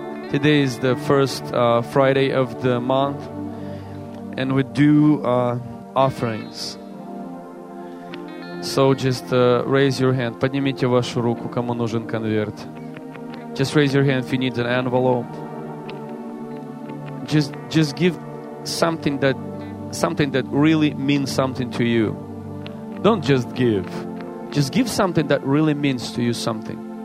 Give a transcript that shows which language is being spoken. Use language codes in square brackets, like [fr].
[en] Today is the first Friday of the month, and we do offerings. So just raise your hand. [ru] Поднимите вашу руку, кому нужен конверт. [en] Just raise your hand if you need an envelope. Just give something that really means something to you. Don't just give. Just give something that really means to you something.